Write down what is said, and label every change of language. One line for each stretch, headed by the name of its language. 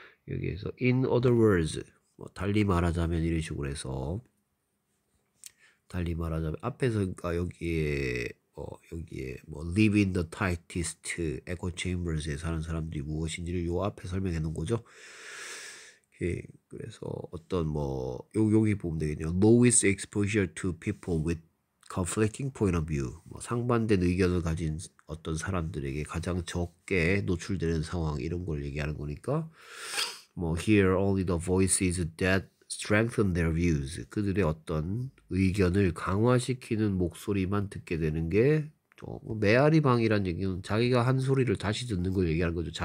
Korean: 여기에서
English: in other words,
Korean: 뭐 달리 말하자면 이런 식으로 해서, 달리 말하자면 앞에서, 그러니까 여기에 뭐
English: live in the tightest echo chambers
Korean: 에 사는 사람들이 무엇인지를 요 앞에 설명해 놓은 거죠. 예, 그래서 어떤 뭐 여기 보면 되겠네요.
English: Lowest exposure to people with conflicting point of view.
Korean: 뭐 상반된 의견을 가진 어떤 사람들에게 가장 적게 노출되는 상황, 이런 걸 얘기하는 거니까. 뭐
English: here only the voices that strengthen their views.
Korean: 그들의 어떤 의견을 강화시키는 목소리만 듣게 되는 게 메아리 방이란 얘기는 자기가 한 소리를 다시 듣는 걸 얘기하는 거죠.